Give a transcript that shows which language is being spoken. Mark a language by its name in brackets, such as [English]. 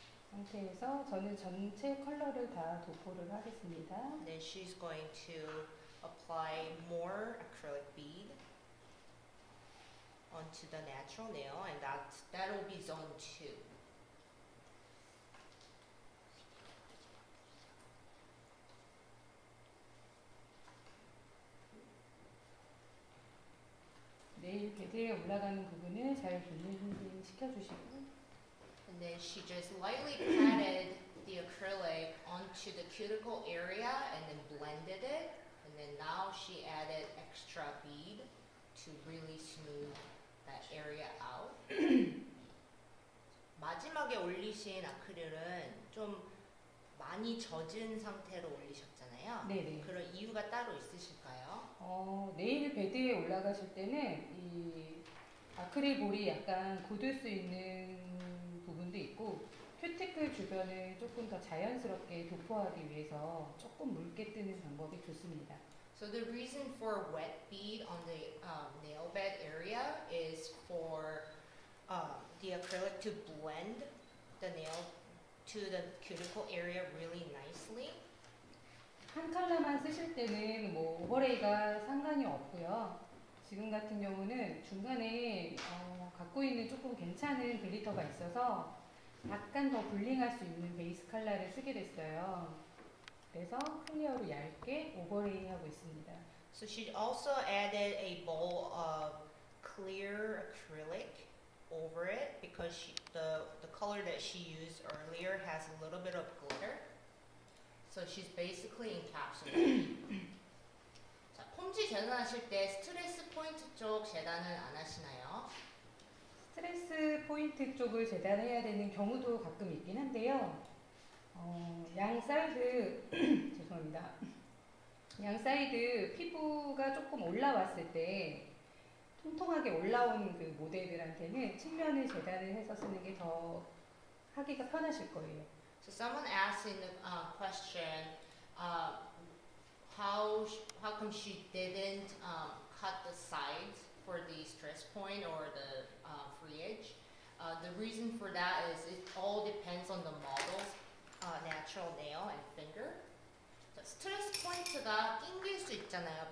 [Korean] 상태에서 저는 전체 컬러를 다 도포를 하겠습니다. [English] Then she's going to apply more acrylic bead onto the natural nail and that'll be zone 2. [Korean] 네일 베드에 올라가는 부분을 잘 분리 시켜주시고 [English] And then she just lightly patted the acrylic onto the cuticle area and then blended it. And then now she added extra bead to really smooth that area out. [Korean] 마지막에 올리신 아크릴은 좀 많이 젖은 상태로 올리셨잖아요. 네네. 그런 이유가 따로 있으실까요? 네일 베드에 올라가실 때는 이 아크릴 볼이 약간 굳을 수 있는 부분도 있고 큐티클 주변을 조금 더 자연스럽게 도포하기 위해서 조금 묽게 뜨는 방법이 좋습니다. [English] So the reason for wet bead on the nail bed area is for the acrylic to blend the nail to the cuticle area really nicely. [Korean] 한 컬러만 쓰실 때는 뭐 오버레이가 상관이 없고요. 지금 같은 경우는 중간에 갖고 있는 조금 괜찮은 글리터가 있어서 약간 더 블링할 수 있는 베이스 컬러를 쓰게 됐어요. 그래서 클리어로 얇게 오버레이 하고 있습니다. [English] So she also added a bowl of clear acrylic over it because she, the color that she used earlier has a little bit of glitter. So she's basically encapsulating. [Korean] 자, 폼지 재단하실 때 스트레스 포인트 쪽 재단은 안 하시나요? 스트레스 포인트 쪽을 재단해야 되는 경우도 가끔 있긴 한데요. 양 사이드 죄송합니다. 양 사이드 피부가 조금 올라왔을 때 통통하게 올라온 그 모델들한테는 측면을 재단을 해서 쓰는 게 더 하기가 편하실 거예요. [English] So someone asked in the question, how come she didn't cut the sides for the stress point or the free edge? The reason for that is it all depends on the model's natural nail and finger. [Korean] 스트레스 포인트가 낑길 수 있잖아요.